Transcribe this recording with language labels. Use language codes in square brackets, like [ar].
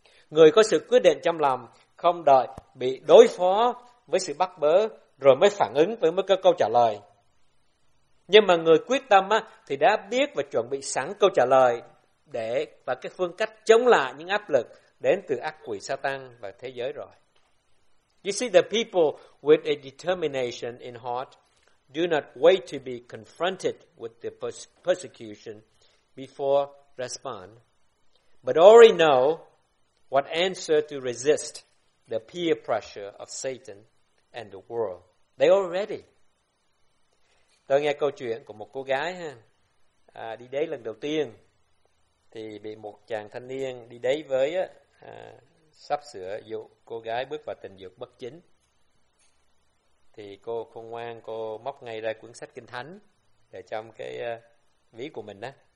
[vi] Người có sự quyết định trong lòng không đợi bị đối phó với sự bắt bớ rồi mới phản ứng với mới có câu trả lời. Nhưng mà người quyết tâm á, thì đã biết và chuẩn bị sẵn câu trả lời để và cái phương cách chống lại những áp lực đến từ ác quỷ Satan và thế giới rồi. [en] You see, the people with a determination in heart do not wait to be confronted with the persecution before respond, but already know what answer to resist the peer pressure of Satan and the world. They are ready. [vi] Tôi nghe câu chuyện của một cô gái ha, đi đấy lần đầu tiên, thì bị một chàng thanh niên đi đấy với á, sắp sửa dụ cô gái bước vào tình dục bất chính. Thì cô khôn ngoan, cô móc ngay ra cuốn sách Kinh Thánh để trong cái ví của mình đó.